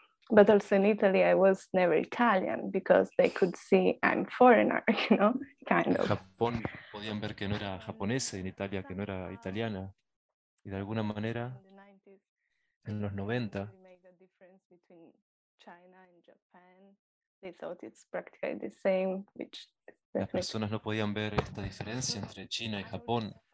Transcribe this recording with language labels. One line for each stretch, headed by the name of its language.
English: But also in Italy, I was never Italian because they could see I'm foreigner, you know, kind of.
Spanish: Japón podían ver que no era japonesa y en Italia que no era italiana. Y de alguna manera, en los 90,
English: they made a difference between China and Japan. They thought it's practically the same, which definitely...
Spanish: Las personas no podían ver esta diferencia entre China y Japón.